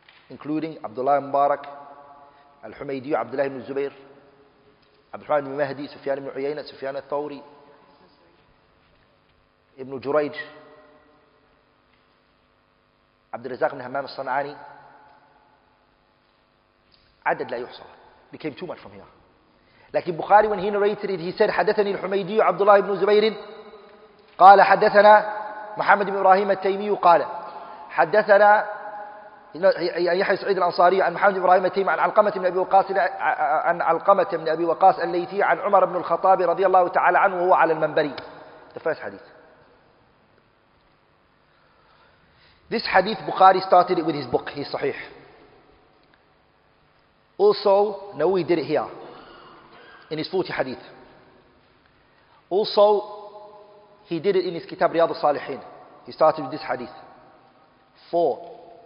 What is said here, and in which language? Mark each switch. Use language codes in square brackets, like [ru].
[en] Including Abdullah ibn Mubarak, Al-Humaydi, Abdullah ibn Zubair, Abdurrahman ibn Mahdi, Sufyan ibn Uyayna, Sufyan al-Thawri, Ibn Jurayj, Abdul Razak ibn Hammam al-San'ani. [ar] Adad la yuhsa. [en] Became too much from here. Like in Bukhari, when he narrated it, he said, [ar] حدثني الحميدي عبد الله بن زبير قال حدثنا محمد بن إبراهيم التيمي قال حدثنا يحيى سعيد الأنصاري عن محمد إبراهيم التيم عن علقمة بن أبي وقاص عن علقمة بن أبي وقاص الليثي عن عمر بن الخطاب رضي الله تعالى عنه وهو على المنبر. [en] The first hadith. This hadith Bukhari started it with his book. He's sahih. Also, Nawawi did it here in his 40 hadith. Also, he did it in his kitab Riyadu Salihin. He started with this hadith. 4.